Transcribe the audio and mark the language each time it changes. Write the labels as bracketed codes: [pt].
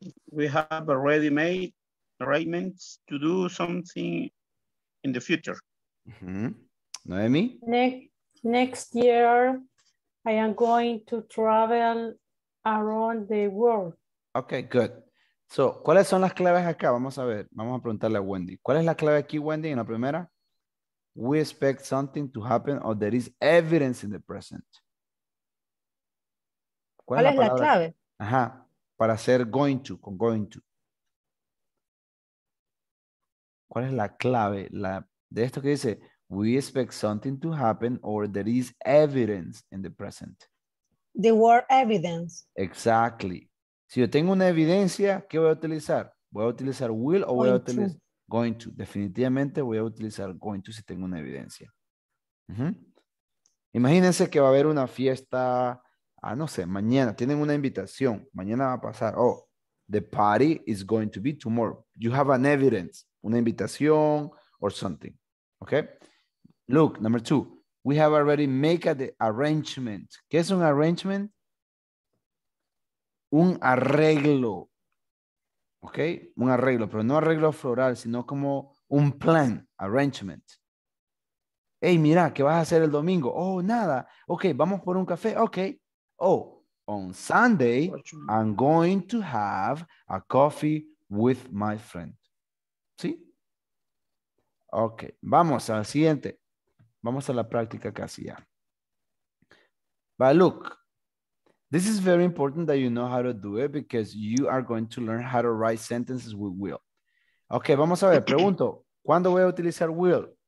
[en] We have already made arrangements to do something in the future. Mm-hmm. Noemi? Next year, I am going to travel around the world. Okay, good. So, [es] ¿cuáles son las claves acá? Vamos a ver. Vamos a preguntarle a Wendy. ¿Cuál es la clave aquí, Wendy, en la primera? [en] We expect something to happen or there is evidence in the present. [es] ¿Cuál es la clave? Ajá. Para hacer going to, con going to. ¿Cuál es la clave? De esto que dice... [en] We expect something to happen or there is evidence in the present. The word evidence. Exactly. [es] Si yo tengo una evidencia, ¿qué voy a utilizar? ¿Voy a utilizar will o voy a utilizar going to? Definitivamente voy a utilizar going to si tengo una evidencia. Uh-huh. Imagínense que va a haber una fiesta Ah, no sé, mañana tienen una invitación. Mañana va a pasar. [en] Oh, the party is going to be tomorrow. You have an evidence, [es] una invitación [en] or something. Okay. Look, number two, we have already made the arrangement. [es] ¿Qué es un arrangement? Un arreglo. Okay, un arreglo, pero no arreglo floral, sino como un plan, arrangement. Hey, mira, ¿qué vas a hacer el domingo? Oh, nada. Okay, vamos por un café. Okay. [en] Oh, on Sunday, I'm going to have a coffee with my friend. ¿Sí? [es] Okay, vamos al siguiente. Vamos a la práctica casi ya. [en] But look, this is very important that you know how to do it because you are going to learn how to write sentences with will. [es] Okay, vamos a ver, pregunto, ¿cuándo voy a utilizar will?